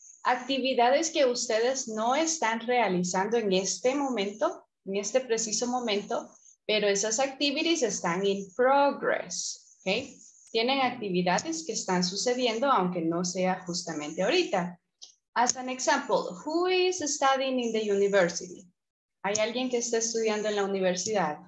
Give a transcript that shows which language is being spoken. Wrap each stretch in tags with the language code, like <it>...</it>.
<es>Actividades que ustedes no están realizando en este momento, en este preciso momento, pero esas activities están</es> <en>in progress.</en> <es>Okay? Tienen actividades que están sucediendo, aunque no sea justamente ahorita.</es> <en>As an example, who is studying in the university?</en> <es>¿Hay alguien que está estudiando en la universidad?</es>